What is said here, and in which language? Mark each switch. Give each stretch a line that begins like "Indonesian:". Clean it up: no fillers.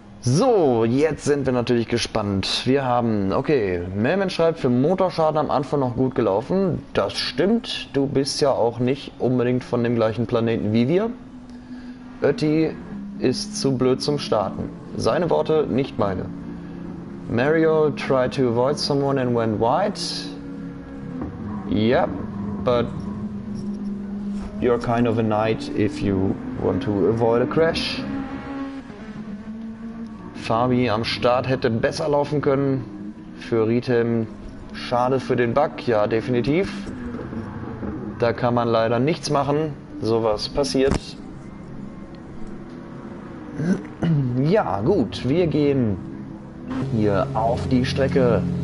German: So, jetzt sind wir natürlich gespannt. Wir haben, okay, Melman schreibt, für Motorschaden am Anfang noch gut gelaufen. Das stimmt, du bist ja auch nicht unbedingt von dem gleichen Planeten wie wir. Ötti ist zu blöd zum Starten. Seine Worte, nicht meine.
English: Mario tried to avoid someone and went wide. Yep, but you're kind of a knight if you want to avoid a crash.
German: Fabi am Start hätte besser laufen können. Für Ritem schade für den Bug, ja definitiv. Da kann man leider nichts machen. Sowas passiert. Ja, gut, wir gehen hier auf die Strecke.